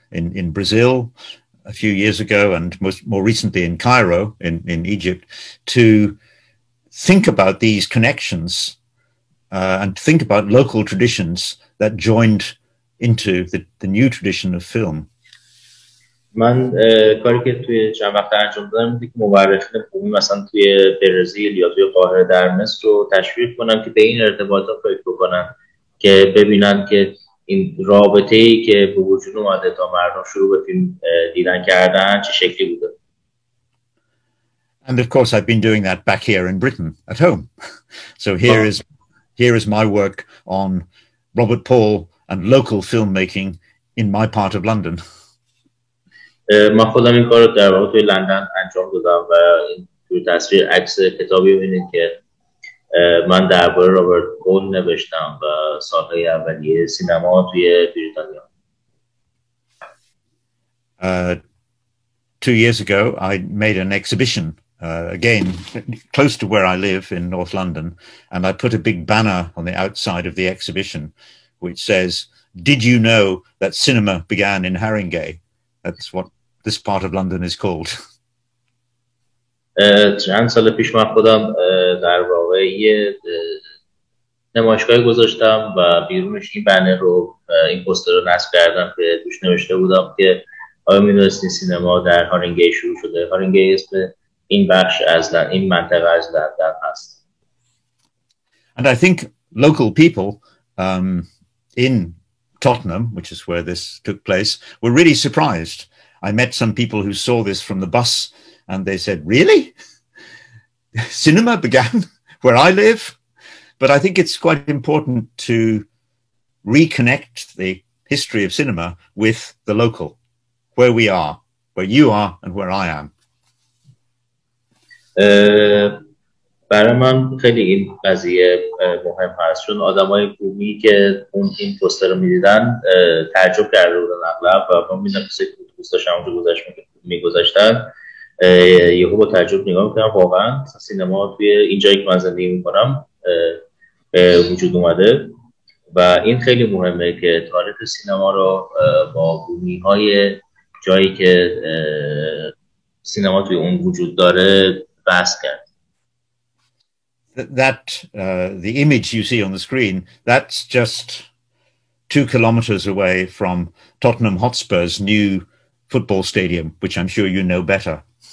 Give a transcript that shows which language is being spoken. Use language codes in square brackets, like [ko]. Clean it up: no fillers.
[en] In Brazil a few years ago, and more recently in Cairo in Egypt, to think about these connections and think about local traditions that joined into the new tradition of film. [fa] من کاری که توی چند وقت انجام دادم بود که مورخین بومی مثلا توی برزیل یا توی قاهره در مصر رو تشویق کنم که به این ارتباطات فکر بکنن، که ببینن که این رابطه ای که به وجود اومده تا مردم شروع به فیلم دیدن کردن چه شکلی بوده. [en] And of course I've been doing that back here in Britain at home. So here is my work on Robert Paul and local filmmaking in my part of London. [fa] من خودم این کار رو در واقع توی لندن انجام دادم و این توی تصویر عکس کتابی ببینید که من درباره رابرت پول نوشتم و سالهای اولیه سینما توی بریتانیا. [en] Two years ago I made an exhibition again close to where I live in North London, and I put a big banner on the outside of the exhibition which says, did you know that cinema began in Haringey? That's what this part of London is called. [fa] چند سال پیش من خودم در واقع یه نمایشگاه گذاشتم و بیرونش این بنر رو این پوستر رو نصب کردم که توش نوشته بودم که آیا می‌دونستی سینما در هارینگی شروع شده. هارینگی اسم این بخش از این منطقه از لندن هست. [en] And I think local people in Tottenham, which is where this took place, were really surprised. I met some people who saw this from the bus and they said, really? Cinema began where I live? But I think it's quite important to reconnect the history of cinema with the local, where we are, where you are and where I am. [fa] برای من خیلی این قضیه مهم هست، چون آدم های بومی که اون این پوستر رو میدیدن تعجب کرده بودن اغلب، و من میدونم که سکر بود پوستش همونجا گذاشت میگذاشتن یهو با تعجب نگاه میکنم واقعا سینما توی این جایی که من زندگی میکنم وجود اومده. و این خیلی مهمه که تاریخ سینما رو با بومی های جایی که سینما توی اون وجود داره بس کرد. [en] That the image you see on the screen, that's just 2 kilometers away from Tottenham Hotspur's new football stadium, which I'm sure you know better.